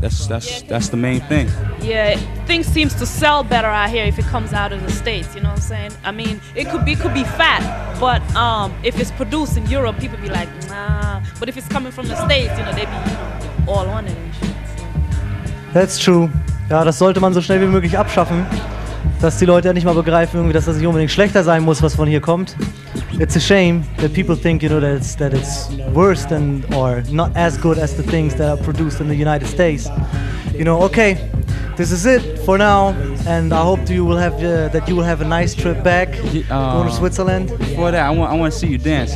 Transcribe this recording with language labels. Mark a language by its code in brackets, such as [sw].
[en] That's the main thing. Yeah, things seems to sell better out here if it comes out of the States, you know what I'm saying? I mean, it could be fat, but if it's produced in Europe, people be like, nah. But if it's coming from the States, you know, they be, you know, all on it and shit. That's true. [de] Ja, das sollte man so schnell wie möglich abschaffen, dass die Leute nicht mal begreifen, irgendwie, dass das nicht unbedingt schlechter sein muss, was von hier kommt. [en] It's a shame that people think, you know, that it's worse than or not as good as the things that are produced in the United States. You know, okay, this is it for now, and I hope you will have a nice trip back going to Switzerland. For that, I want to see you dance.